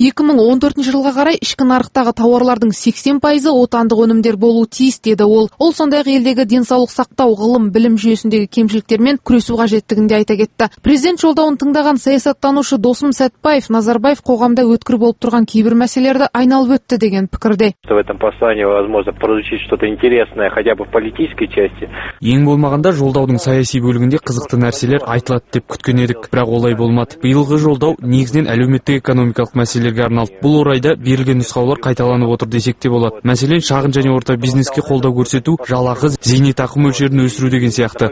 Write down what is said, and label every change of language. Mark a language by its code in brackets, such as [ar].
[kk] 2014 жылға қарай ішкі нарықтағы тауарлардың 80% отандық өнімдер болуы тиіс деді ол. Ол сондай-ақ елдегі денсаулық сақтау, ғылым, білім жүйесіндегі кемшіліктермен күресу қажеттігін де айта кетті. Президент жолдауын тыңдаған саясаттанушы Досым Сәтбаев Назарбаев қоғамда өткір болып тұрған кейбір мәселелерді айналып өтті деген пікірде. [ru] Прозвучить что-то интересное хотя бы в политической части. [kk] Ең болмағанда жолдаудың саяси бөлігінде қызықты нәрселер айтылады деп күткен едік, бірақ олай болмады. Биылғы жолдау негізінен әлеуметтік-экономикалық мәселелерге арналды. Бұл орайда берілген нұсқаулар қайталанып отыр десек те болады. Мәселен, шағын және орта бизнеске қолдау көрсету, жалақы, зейнетақы мөлшерін өсіру деген сияқты.